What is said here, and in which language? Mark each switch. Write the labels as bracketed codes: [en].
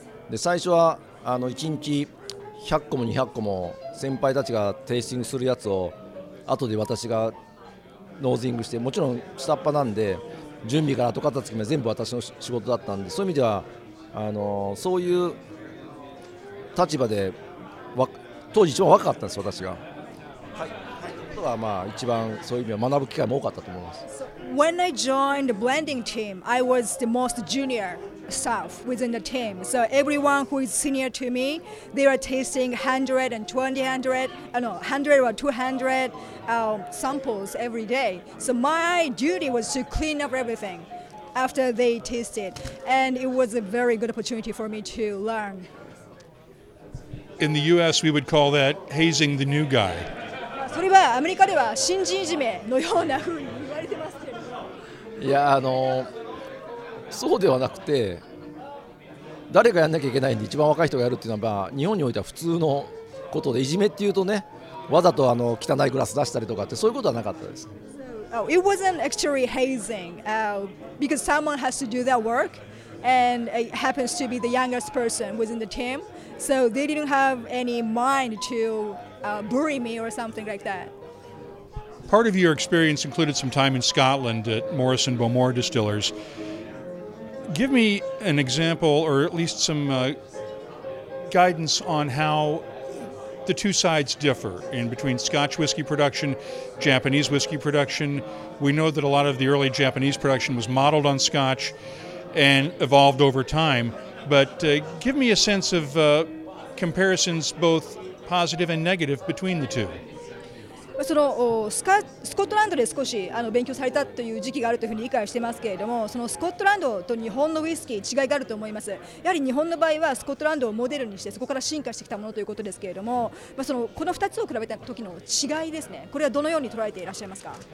[ja] で、最初は1日100個も200個も先輩たちがテイスティングするやつを後で私がノーズイングして、もちろん下っ端なんで準備から後片付けまで全部私の仕事だったんで、そういう意味ではそういう立場で当時一番若かったんです、私が。 [en] When I joined the blending team, I was the most junior staff within the team. So everyone who is senior to me, they are tasting 100 or 200 samples every day. So my duty was to clean up everything after they tasted. And it was a very good opportunity for me to learn. In the US, we would call that hazing the new guy. [ja] それはアメリカでは新人いじめのようなふうに言われてますけど、いや、そうではなくて、誰がやんなきゃいけないんで、一番若い人がやるっていうのは、日本においては普通のことで、いじめっていうとね、わざと汚いグラス出したりとかって、そういうことはなかったです。 [en] It wasn't actually hazing, because someone has to do that work, and it happens to be the youngest person within the team, so they didn't have any mind to. Bury me or something like that. Part of your experience included some time in Scotland at Morris and Beaumont Distillers. Give me an example or at least some guidance on how the two sides differ in between Scotch whiskey production, Japanese whiskey production. We know that a lot of the early Japanese production was modeled on Scotch and evolved over time, but give me a sense of comparisons bothpositive and negative between the two. [ja] そのスコットランドで少し勉強されたという時期があるというふうに理解してますけれども、そのスコットランドと日本のウイスキー違いがあると思います。やはり日本の場合はスコットランドをモデルにしてそこから進化してきたものということですけれども、そのこの2つを比べた時の違いですね、これはどのように捉えていらっしゃいますか？